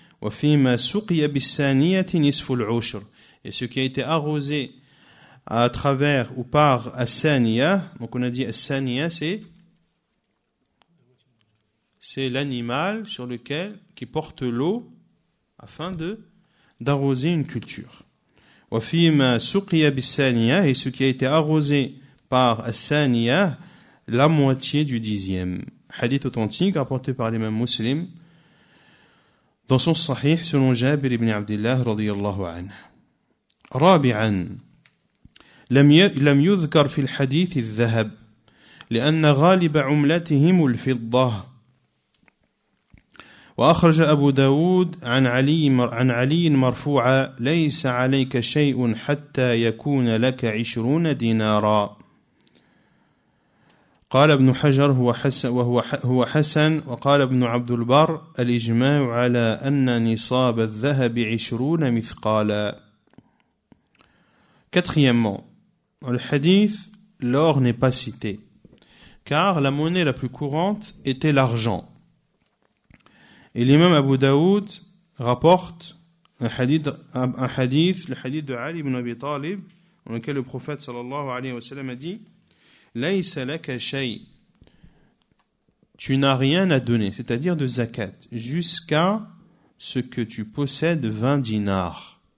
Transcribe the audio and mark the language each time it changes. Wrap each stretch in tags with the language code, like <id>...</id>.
<ar>Wa fima suqiya bis-saniyati nisfu al-ushur.</ar> <fr>Et ce qui a été arrosé à travers ou par as-saniya, donc on a dit as-saniya, c'est l'animal sur lequel qui porte l'eau afin de d'arroser une culture.</fr> <ar>Wa fima suqiya bis-saniya,</ar> <fr>et ce qui a été arrosé par as-saniya, la moitié du dixième. Hadith authentique rapporté par l'imam Muslim dans son sahih selon Jabir ibn Abdullah radiyallahu anhu.</fr> <ar>رابعا لم يذكر في الحديث الذهب لأن غالب عملتهم الفضة. وأخرج أبو داود عن علي مرفوعا ليس عليك شيء حتى يكون لك 20 دينارا. قال ابن حجر وهو حسن. وقال ابن عبد البر الإجماع على أن نصاب الذهب 20 مثقالا.</ar> <fr>Quatrièmement, dans le hadith, l'or n'est pas cité, car la monnaie la plus courante était l'argent. Et l'imam Abu Daoud rapporte le hadith de Ali ibn Abi Talib, dans lequel le prophète sallallahu alayhi wa sallam a dit «</fr> <ar>Laysa laka shay</ar> <fr>» Tu n'as rien à donner, c'est-à-dire de zakat, jusqu'à ce que tu possèdes 20 dinars.</fr>